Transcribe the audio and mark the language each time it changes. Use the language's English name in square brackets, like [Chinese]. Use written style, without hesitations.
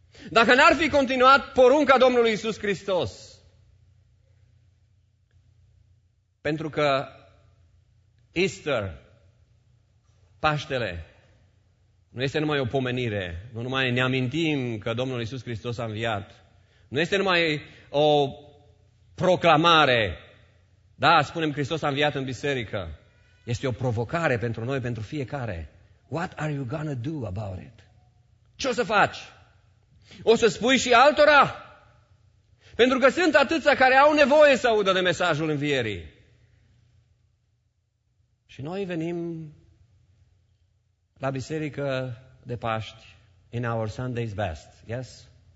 [Romanian] Dacă n-ar fi continuat porunca Domnului Iisus Hristos, pentru că Easter, Paștele, nu este numai o pomenire, nu numai ne amintim că Domnul Iisus Hristos a înviat, nu este numai o proclamare, da, spunem Hristos a înviat în biserică, este o provocare pentru noi, pentru fiecare. [English] What are you gonna do about it? [Romanian] Ce o să faci? O să spui și altora? Pentru că sunt atâția care au nevoie să audă de mesajul învierii. Și noi venim la biserică de Paști, [English] in our Sunday's best, yes?